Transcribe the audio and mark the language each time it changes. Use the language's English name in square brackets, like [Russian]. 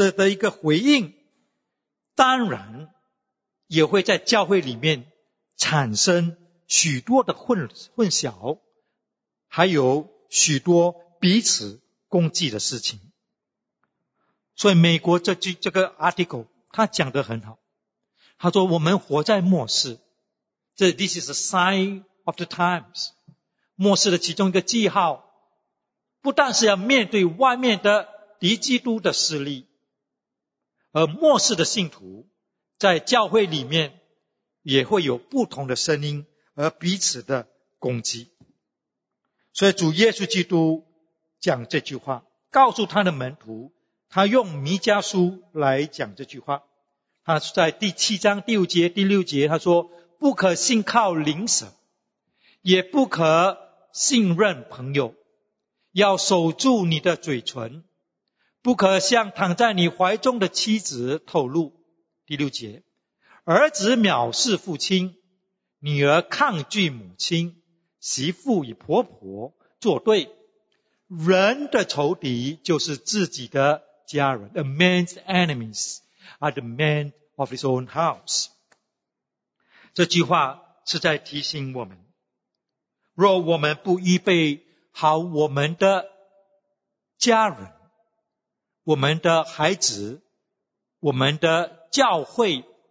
[Chinese] 一个回应，当然也会在教会里面产生许多的混淆，还有许多彼此攻击的事情。所以美国这个 article 他讲得很好，他说我们活在末世， [English] This is a sign of the times. [Chinese] 末世的其中一个记号，不但是要面对外面的敌基督的势力，而末世的信徒在教会里面也会有不同的声音，而彼此的攻击。所以主耶稣基督讲这句话，告诉他的门徒，他用弥迦书来讲这句话。他在第七章第五节第六节他说，不可信靠邻舍，也不可信任朋友，要守住你的嘴唇，不可向躺在你怀中的妻子透露。第六节，儿子藐视父亲，女儿抗拒母亲，媳妇与婆婆作对。人的仇敌就是自己的家人。 [English] A man's enemies are the men of his own house。 [Chinese] 这句话是在提醒我们，若我们不预备好我们的家人、我们的孩子、我们的教会